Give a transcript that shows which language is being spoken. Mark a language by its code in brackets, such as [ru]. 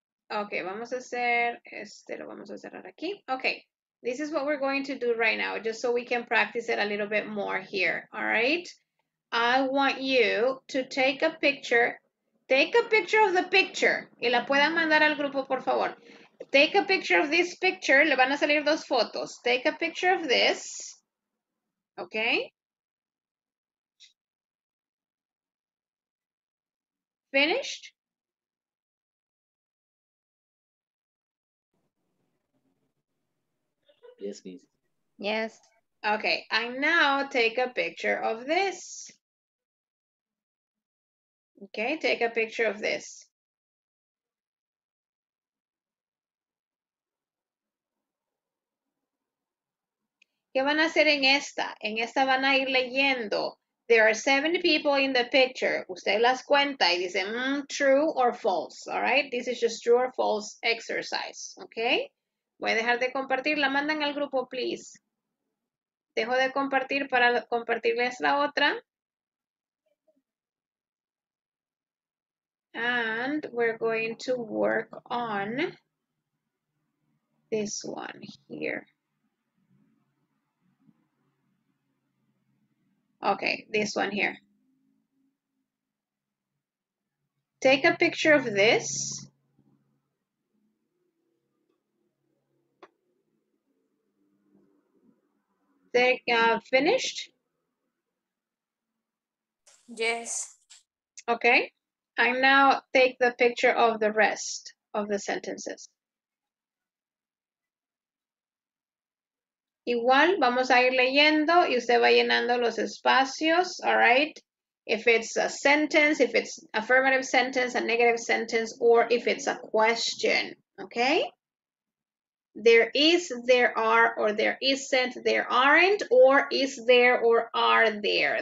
[es] Okay, vamos a hacer, lo vamos a cerrar aquí. [en] Okay, this is what we're going to do right now, just so we can practice it a little bit more here, all right? I want you to take a picture of the picture, [es] y la puedan mandar al grupo, por favor. [en] Take a picture of this picture, [es] le van a salir dos fotos. [en] Take a picture of this, okay? Finished? Yes, please. Yes. Okay, I now take a picture of this. Okay, take a picture of this. [es] ¿Qué van a hacer en esta? En esta van a ir leyendo. [en] There are 70 people in the picture. [es] Usted las cuenta y dice, [en] true or false. All right, this is just true or false exercise. [es] Okay. Voy a dejar de compartir. La mandan al grupo, please. Dejo de compartir para compartirles la otra. [en] And we're going to work on this one here. Okay, this one here. Take a picture of this. They finished? Yes. Okay. I now take the picture of the rest of the sentences. [es] Igual, vamos a ir leyendo y usted va llenando los espacios, all right? [en] If it's a sentence, if it's affirmative sentence, a negative sentence, or if it's a question, okay? There is, there are, or there isn't, there aren't, or is there, or are there.